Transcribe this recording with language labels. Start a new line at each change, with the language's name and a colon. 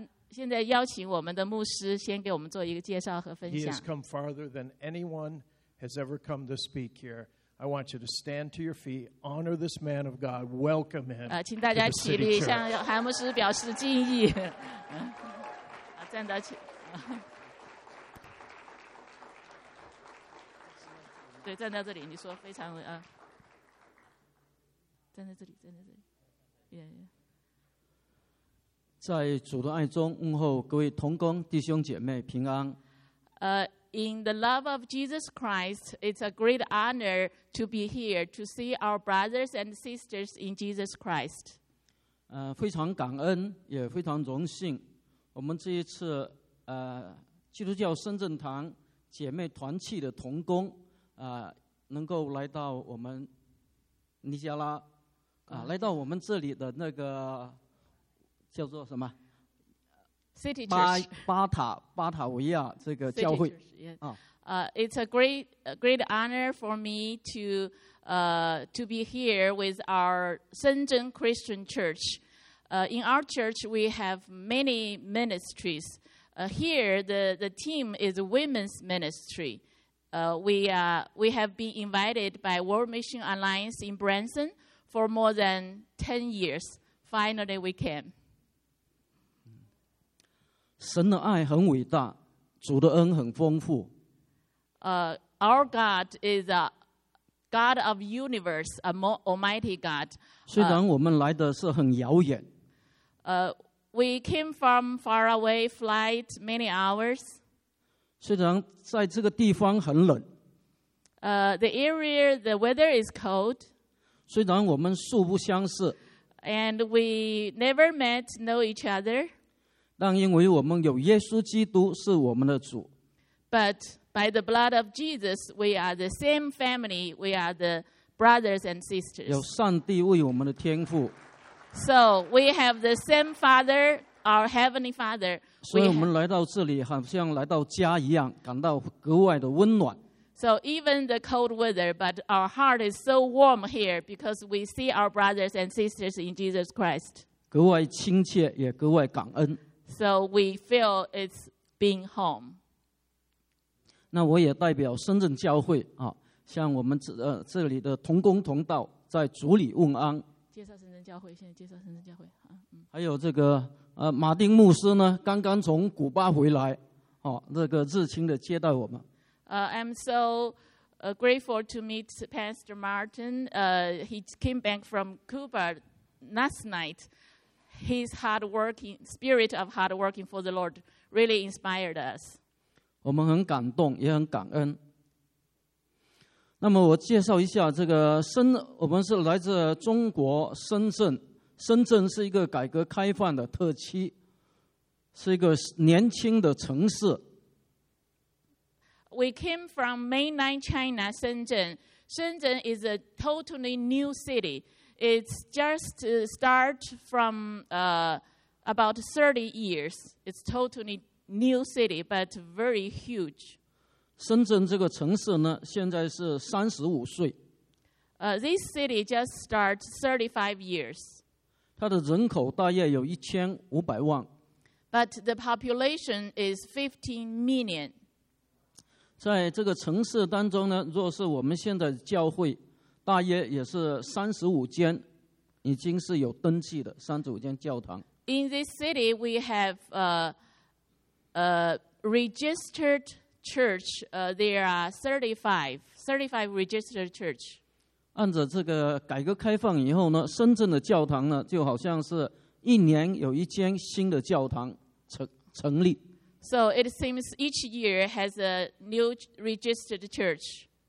Chinese: 现在邀请我们的牧师先给我们做一个介绍和分享。
English: He has come farther than anyone has ever come to speak here. I want you to stand to your feet, honor this man of God, welcome him.
Chinese: 请大家起立，向韩牧师表示敬意。站到起。对，站到这里，你说非常啊。站在这里，站在这里。在主的爱中问候各位同工弟兄姐妹平安。
English: In the love of Jesus Christ, it's a great honor to be here to see our brothers and sisters in Jesus Christ.
Chinese: 非常感恩，也非常荣幸，我们这一次基督教深圳堂姐妹团契的同工能够来到我们尼加拉。来到我们这里的那个叫做什么
English: City Church
Chinese: 巴塔维亚这个教会
English: It's a great honor for me to be here with our Shenzhen Christian Church. In our church we have many ministries. Here the team is women's ministry. We have been invited by World Mission Alliance in Branson for more than 10 years. Finally, we came.
Chinese: 神的爱很伟大，主的恩很丰富。
English: Our God is a God of universe, a almighty God.
Chinese: 虽然我们来的是很遥远。
English: We came from far away flight many hours.
Chinese: 虽然在这个地方很冷。
English: The area, the weather is cold.
Chinese: 虽然我们素不相识
English: and we never met know each other,
Chinese: 但因为我们有耶稣基督是我们的主
English: but by the blood of Jesus we are the same family, we are the brothers and sisters,
Chinese: 有上帝为我们的天父
English: so we have the same father, our heavenly father,
Chinese: 所以我们来到这里好像来到家一样感到格外的温暖
English: So even the cold weather, but our heart is so warm here because we see our brothers and sisters in Jesus Christ.
Chinese: 格外亲切，也格外感恩。
English: So we feel it's being home.
Chinese: 那我也代表深圳教会啊，向我们这里的同工同道在主里问安。介绍深圳教会，现在介绍深圳教会啊。还有这个马丁牧师呢，刚刚从古巴回来，哦，这个热情的接待我们。
English: I'm so grateful to meet Pastor Martin. He came back from Cuba last night. His hard working spirit of hard working for the Lord really inspired us.
Chinese: 我们很感动，也很感恩。那么我介绍一下这个深，我们是来自中国深圳。深圳是一个改革开放的特区，是一个年轻的城市。
English: We came from mainland China, Shenzhen. Shenzhen is a totally new city. It's just start from about 30 years. It's totally new city, but very huge.
Chinese: 深圳这个城市呢，现在是35岁。
English: This city just started 35 years.
Chinese: 它的人口大约有1500万。
English: But the population is 15 million.
Chinese: 在这个城市当中呢，若是我们现在教会，大约也是35间，已经是有登记的35间教堂。
English: In this city, we have a registered church. There are 35 registered church.
Chinese: 按照这个改革开放以后呢，深圳的教堂呢，就好像是一年有一间新的教堂成立。
English: So it seems each year has a new registered church.